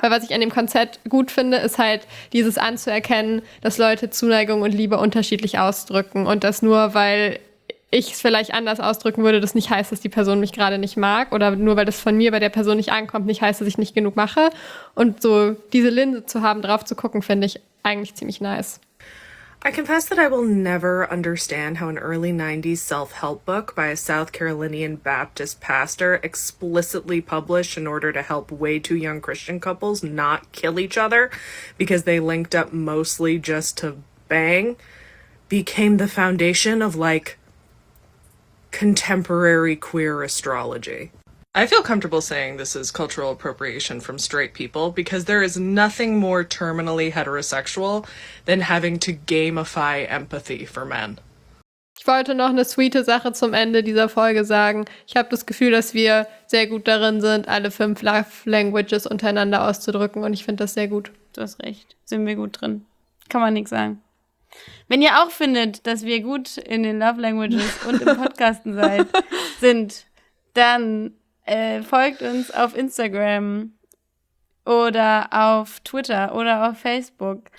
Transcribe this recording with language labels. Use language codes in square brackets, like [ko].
[de] Weil was ich an dem Konzept gut finde, ist halt dieses anzuerkennen, dass Leute Zuneigung und Liebe unterschiedlich ausdrücken und das nur, weil ich es vielleicht anders ausdrücken würde, das nicht heißt, dass die Person mich gerade nicht mag oder nur, weil das von mir bei der Person nicht ankommt, nicht heißt, dass ich nicht genug mache. Und so diese Linse zu haben, drauf zu gucken, finde ich eigentlich ziemlich nice. [en] I confess that I will never understand how an early 90s self-help book by a South Carolinian Baptist pastor explicitly published in order to help way too young Christian couples not kill each other because they linked up mostly just to bang became the foundation of, like, contemporary queer astrology. I feel comfortable saying this is cultural appropriation from straight people because there is nothing more terminally heterosexual than having to gamify empathy for men. [de] Ich wollte noch eine sweete Sache zum Ende dieser Folge sagen. Ich habe das Gefühl, dass wir sehr gut darin sind, alle 5 Love Languages untereinander auszudrücken, und ich finde das sehr gut. Du hast recht. Sind wir gut drin. Kann man nichts sagen. Wenn ihr auch findet, dass wir gut in den Love Languages und im Podcasten sind, dann folgt uns auf Instagram oder auf Twitter oder auf Facebook.